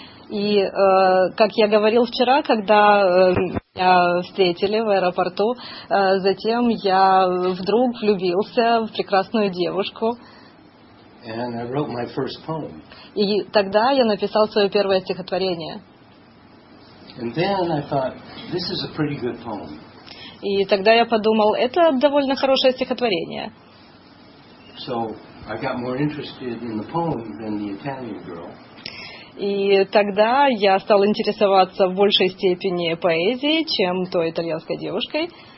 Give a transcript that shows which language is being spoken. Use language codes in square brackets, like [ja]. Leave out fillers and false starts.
[ru] И, как я говорил вчера, когда меня встретили в аэропорту, затем я вдруг влюбился в прекрасную девушку. [en] And I wrote my first poem. [ru] И тогда я написал свое первое стихотворение. [en] And then I thought, this is a pretty good poem. [ru] И тогда я подумал, это довольно хорошее стихотворение. [en] So I got more interested in the poem than the Italian girl. [ru] И тогда я стал интересоваться в большей степени поэзией, чем той итальянской девушкой.